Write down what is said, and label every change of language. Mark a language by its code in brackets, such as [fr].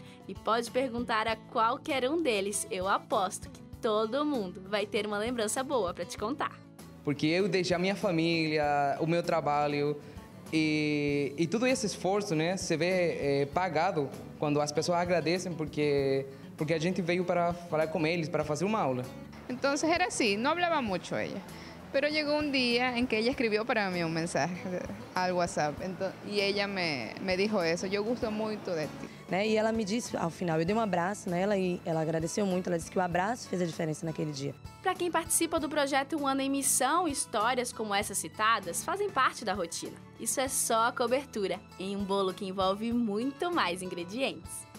[pt] E pode perguntar a qualquer um deles, eu aposto que todo mundo vai ter uma lembrança boa para te contar. Porque eu deixei a minha família, o meu trabalho e todo esse esforço, né, se vê pagado quando as pessoas agradecem porque a gente veio para falar com eles, para fazer uma aula. Então era assim, não falava muito ela. [es] Pero llegó un día en que ella escribió para mí un mensaje al WhatsApp. Entonces, y ella me dijo eso, yo gusto mucho de ti. [pt] né? E ela me disse, ao final, eu dei um abraço nela e ela agradeceu muito, ela disse que o abraço fez a diferença naquele dia. Para quem participa do projeto Um Ano em Missão, histórias como essas citadas fazem parte da rotina. Isso é só a cobertura em um bolo que envolve muito mais ingredientes.